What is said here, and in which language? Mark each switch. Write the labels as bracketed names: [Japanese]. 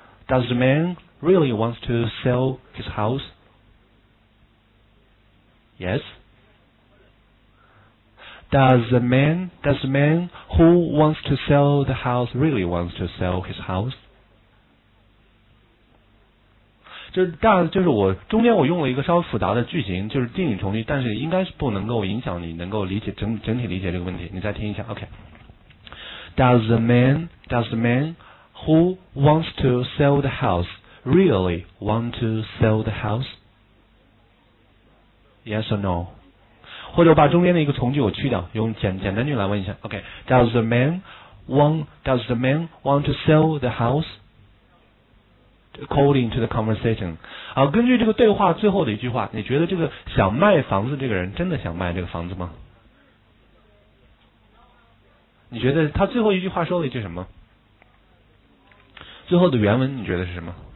[English] Does the man really want to sell his house? Yes. Does the man who wants to sell the house really wants to sell his house? [Chinese] 就是大，就是我中间我用了一个稍微复杂的句型，就是定语从句，但是应该是不能够影响你能够理解整体理解这个问题。你再听一下 ，OK。 [English] Does the man who wants to sell the house really want to sell the house? Yes or no? [Chinese] 或者把中间的一个从句我去掉，用简单句来问一下 ，OK。 [English] Does the man want to sell the house? According to the conversation. [Chinese] 好，根据这个对话最后的一句话，你觉得这个想卖房子这个人真的想卖这个房子吗？你觉得他最后一句话说了一句什么？最后的原文你觉得是什么？